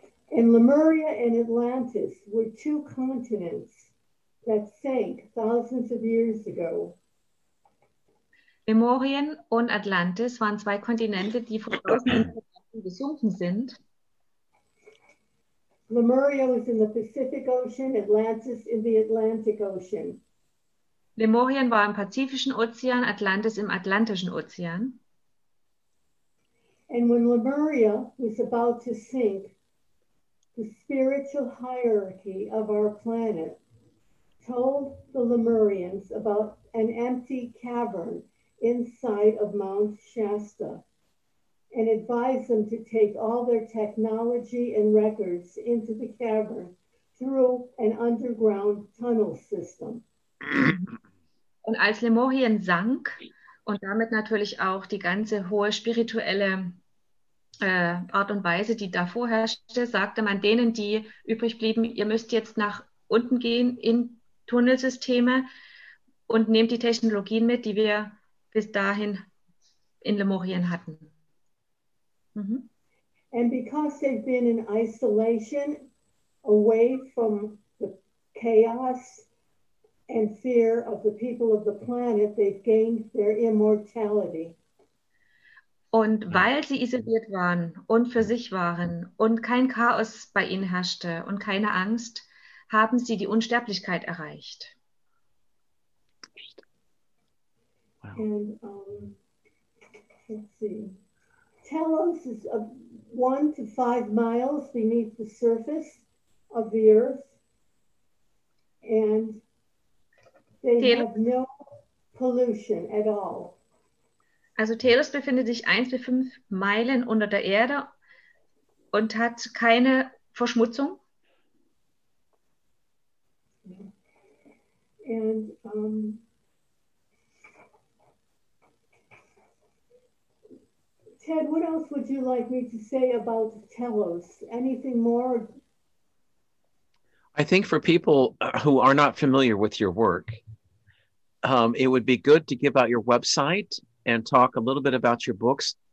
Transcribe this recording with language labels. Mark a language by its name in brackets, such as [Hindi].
[English] And Lemuria and Atlantis were two continents that sank thousands of years ago. [German] Lemurien und Atlantis waren zwei Kontinente, die vor tausenden Jahren gesunken sind. [English] Lemuria is in the Pacific Ocean, Atlantis in the Atlantic Ocean. [German] Lemurien war im Pazifischen Ozean, Atlantis im Atlantischen Ozean. [English] And when Lemuria was about to sink, the spiritual hierarchy of our planet told the Lemurians about an empty cavern inside of Mount Shasta and advise them to take all their technology and records into the cavern through an underground tunnel system. [German] Und als Lemurien sank und damit natürlich auch die ganze hohe spirituelle Art und Weise, die davor herrschte, sagte man denen, die übrig blieben, ihr müsst jetzt nach unten gehen in Tunnelsysteme und nehmt die Technologien mit, die wir bis dahin in Lemurien hatten. [English] And because they've been in isolation, away from the chaos and fear of the people of the planet, they've gained their immortality. [German] Und weil sie isoliert waren und für sich waren und kein Chaos bei ihnen herrschte und keine Angst, haben sie die Unsterblichkeit erreicht. [English] And let's see. Telos is 1 to 5 miles beneath the surface of the earth. And they have no pollution at all. [German] Also Telos befindet sich 1 bis 5 Meilen unter der Erde und hat keine Verschmutzung. [English] Ted, what else would you like me to say about Telos? Anything more? I think for people who are not familiar with your work, it would be good to give out your website and talk a little bit about your books.